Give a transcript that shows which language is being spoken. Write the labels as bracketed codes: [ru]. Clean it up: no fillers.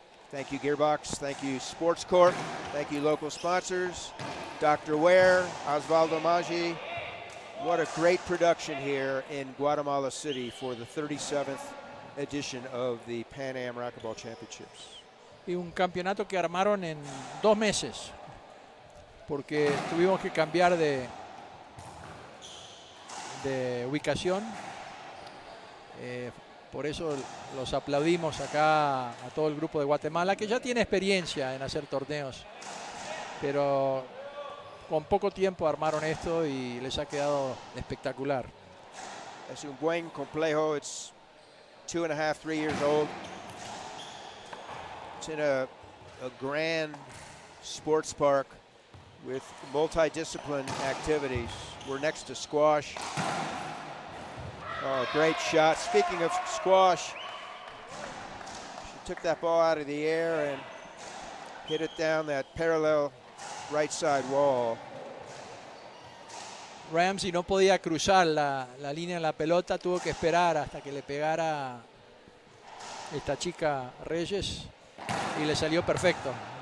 [en] Thank you, Gearbox. Thank you, Sports Corp. Thank you, local sponsors. Dr. Ware, Osvaldo Maggi. What a great production here in Guatemala City for the 37th edition of the Pan Am Racquetball Championships. [es] Y un campeonato que armaron en 2 meses, porque tuvimos que cambiar de ubicación. Por eso los aplaudimos acá a todo el grupo de Guatemala, que ya tiene experiencia en hacer torneos, pero con poco tiempo armaron esto y les ha quedado espectacular. Es un buen complejo. [en] It's 2.5-3 years old. It's in a grand sports park with multi-discipline activities. We're next to squash. Oh, great shot. Speaking of squash, she took that ball out of the air and hit it down that parallel right side wall. [es] Ramsay no podía cruzar la línea de la pelota, tuvo que esperar hasta que le pegara esta chica Reyes y le salió perfecto.